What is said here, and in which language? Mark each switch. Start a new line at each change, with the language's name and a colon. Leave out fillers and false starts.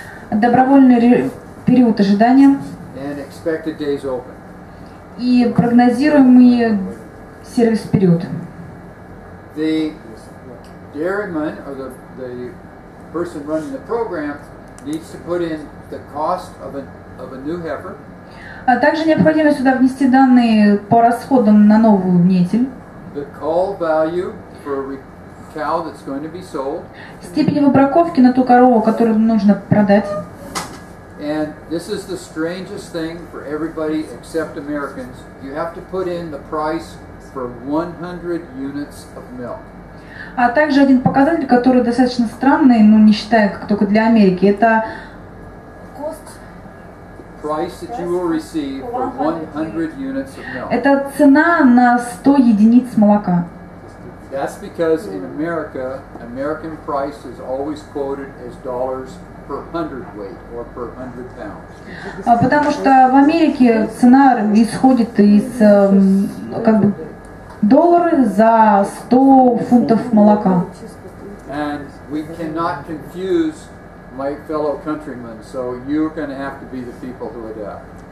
Russian: добровольный период ожидания,
English: and expected days open.
Russian: И прогнозируемый сервис период.
English: The dairyman or the person running the program needs to put in the cost of a new heifer.
Russian: А также необходимо сюда внести данные по расходам на новую нетель.
English: The call value for a cow that's going to be sold.
Russian: Степень выбраковки на ту корову, которую нужно продать.
English: And this is the strangest thing for everybody except Americans. You have to put in the price for 100 units of milk.
Russian: А также один показатель, который достаточно странный, но не считая как только для Америки, это
English: cost. Price that you will receive for 100 units of milk.
Russian: Это цена на 100 единиц молока.
English: That's because in America, American price is always quoted as dollars. Per hundred weight or per hundred pounds.
Russian: А потому что в Америке цена исходит из как бы доллары за 100 фунтов молока.
English: And we cannot confuse my fellow countrymen, so you're going to have to be the people who adapt.